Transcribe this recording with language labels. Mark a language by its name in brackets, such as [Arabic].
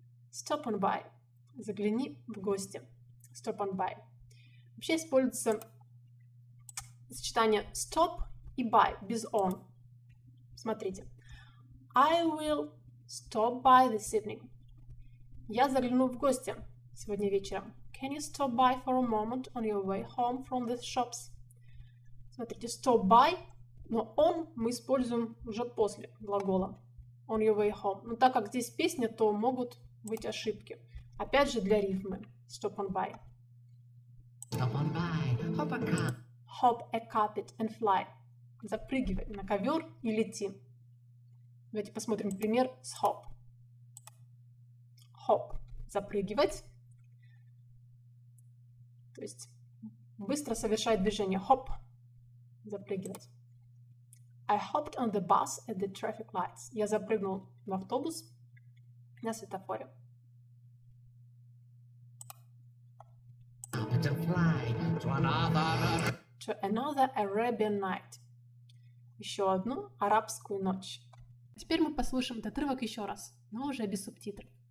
[English] Stop on by. [Russian] Загляни в гости. [English] Stop on by. [Russian] Вообще используется сочетание stop и by, без on. Смотрите. [English] I will stop by this evening. [Russian] Я загляну в гости сегодня вечером. [English] Can you stop by for a moment on your way home from the shops? [Russian] Смотрите, stop by, но on мы используем уже после глагола. [English] On your way home. [Russian] Но так как здесь песня, то могут быть ошибки. Опять же для рифмы. [English] Stop on by. Stop on by. Hop a carpet. Hop a carpet and fly. [Russian] Запрыгивай на ковер и лети. Давайте посмотрим пример с hop. Hop – запрыгивать, то есть быстро совершать движение. Hop – запрыгивать. [English] I hopped on the bus at the traffic lights. [Russian] Я запрыгнул в автобус на светофоре. [English] To fly to another Arabian night. [Russian] Еще одну арабскую ночь. Теперь мы послушаем этот отрывок еще раз, но уже без субтитров.